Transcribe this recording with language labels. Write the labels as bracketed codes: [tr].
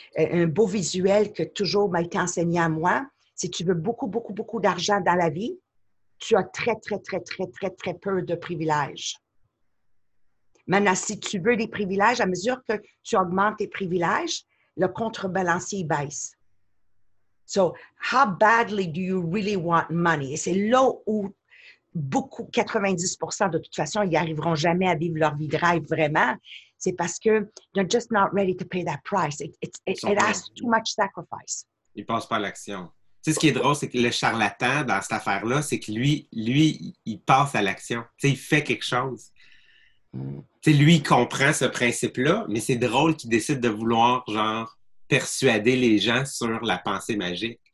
[fr] Un beau visuel que toujours m'a été enseigné à moi, si tu veux beaucoup, beaucoup, beaucoup d'argent dans la vie, tu as très, très, très, très, très, très peu de privilèges. Maintenant, si tu veux des privilèges, à mesure que tu augmentes tes privilèges, le contrebalancier baisse. [en] So, how badly do you really want money? [fr] Et c'est là où beaucoup, 90% de toute façon, ils n'arriveront jamais à vivre leur vie de rêve vraiment. C'est parce que [en] they're just not ready to pay that price. It has too much sacrifice. [fr] Ils passent pas à l'action. Tu sais, ce qui est drôle, c'est que le charlatan dans cette affaire-là, c'est que lui, il passe à l'action. Tu sais, il fait quelque chose. Tu sais, lui, il comprend ce principe-là, mais c'est drôle qu'il décide de vouloir, genre, persuader les gens sur la pensée magique.